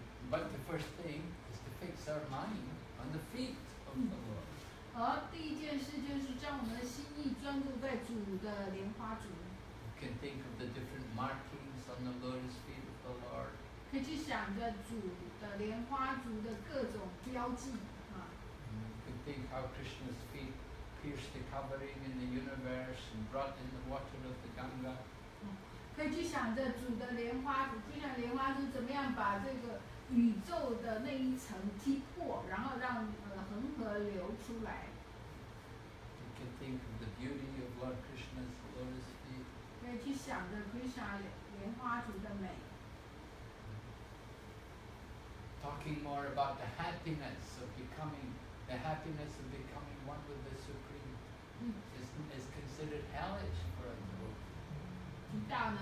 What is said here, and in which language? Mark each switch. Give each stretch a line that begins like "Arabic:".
English: But the first thing is to fix our mind on the feet of the Lord.
Chinese: 而第一件事就是将我们的心意专注在主的莲花足。
English: You can think of the different markings on the lotus feet of the Lord.
Chinese: 可以去想着主的莲花足的各种标记。
English: You can think how Krishna's feet pierced the covering in the universe and brought in the water of the Ganga.
Chinese: 可以去想着主的莲花足，就像莲花足怎么样把这个宇宙的那一层击破，然后让恒河流出来。
English: Think of the beauty of Lord Krishna's lotus feet.
Chinese: 可以去想着Krishna莲花足的美。
English: Talking more about the happiness of becoming, the happiness of becoming one with the Supreme, is considered hellish for a devotee.